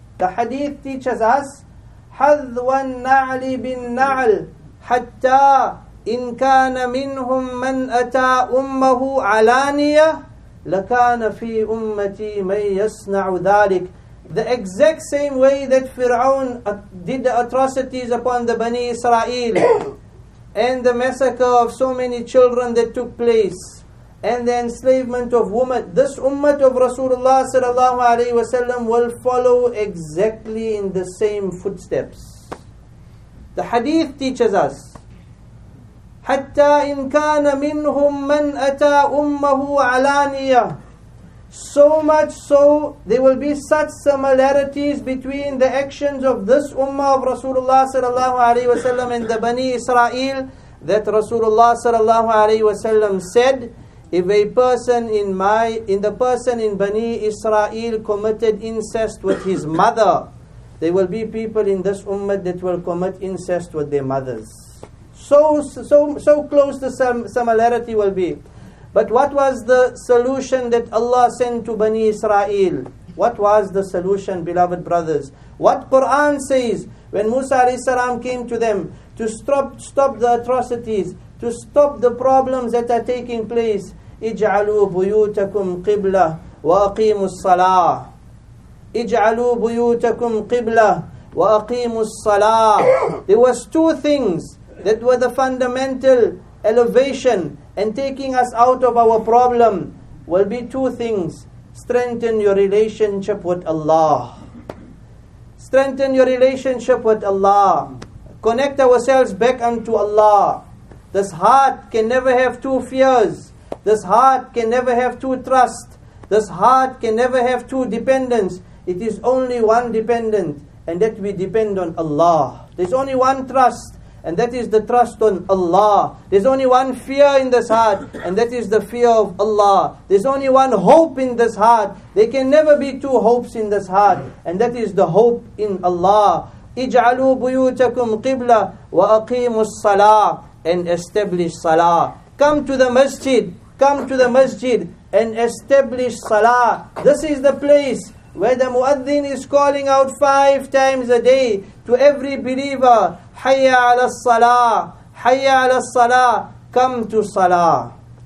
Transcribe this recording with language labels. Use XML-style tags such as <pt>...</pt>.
<en>The hadith teaches us,</en> <ar>حَذْوَ النَّعْلِ بِالنَّعْلِ حَتَّى إِنْ كَانَ مِنْهُمْ مَنْ أَتَى أُمَّهُ عَلَانِيَةً لَكَانَ فِي أُمَّتِي مَنْ يَسْنَعُ ذَلِكَ.</ar> <en>The exact same way that Fir'aun did the atrocities upon the Bani Israel and the massacre of so many children that took place and the enslavement of women, this ummah of Rasulullah sallallahu alayhi wasallam will follow exactly in the same footsteps. The hadith teaches us,</en> <ar>حَتَّى إِنْ كَانَ مِنْهُمْ مَنْ أَتَى أُمَّهُ عَلَانِيَةً.</ar> <en>So much so, there will be such similarities between the actions of this ummah of Rasulullah sallallahu alayhi wasallam and the Bani Israel that Rasulullah sallallahu alayhi wasallam said, if a person in Bani Israel committed incest with his mother, there will be people in this ummah that will commit incest with their mothers. So close the similarity will be. But what was the solution that Allah sent to Bani Israel? What was the solution, beloved brothers? What Quran says when Musa alayhi salam came to them to stop the atrocities, to stop the problems that are taking place?</en> <ar>اجعلوا بيوتكم قبلة وأقيموا الصلاة. اجعلوا بيوتكم قبلة وأقيموا الصلاة.</ar> <en>There was two things that were the fundamental elevation and taking us out of our problem will be two things. Strengthen your relationship with Allah. Strengthen your relationship with Allah. Connect ourselves back unto Allah. This heart can never have two fears. This heart can never have two trust. This heart can never have two dependence. It is only one dependent, and that we depend on Allah. There's only one trust, and that is the trust on Allah. There's only one fear in this heart, and that is the fear of Allah. There's only one hope in this heart. There can never be two hopes in this heart, and that is the hope in Allah.</en> <ar>اجعلوا بيوتكم قبلة وأقيموا الصلاة.</ar> <en>And establish salah. Come to the masjid. Come to the masjid and establish salah. This is the place where the muaddin is calling out 5 times a day to every believer.</en> <ar>Hayya ala salah, hayya ala salah,</ar> <en>come to salah.</en>